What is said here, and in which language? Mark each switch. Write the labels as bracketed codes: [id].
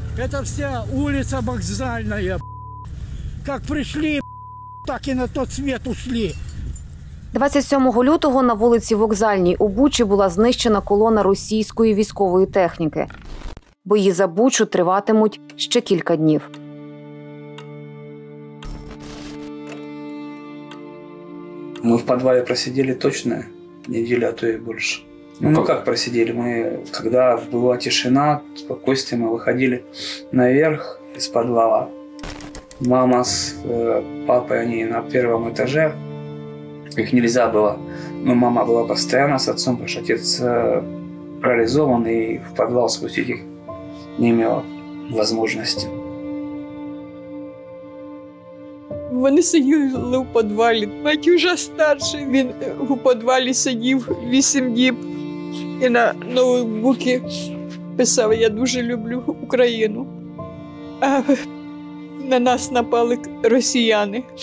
[uk] Це вся вулиця вокзальна, як прийшли. Так і на той світ ушли. 27 лютого на вулиці Вокзальній у Бучі була знищена колона російської військової техніки. Бої за Бучу триватимуть ще кілька днів. [ru] Мы в подвале просидели точно неделю, а то и больше. Как просидели? Мы, когда была тишина, спокойствие, мы выходили наверх из подвала. Мама с папой, они на первом этаже. Их нельзя было. Но мама была постоянно с отцом, потому что отец парализован, и в подвал спустить их не имела возможности. [uk] Вони сиділи в підвалі. Батько вже старший, він в підвалі сидів 8 діб і на ноутбуці писав: «Я дуже люблю Україну». А на нас напали росіяни.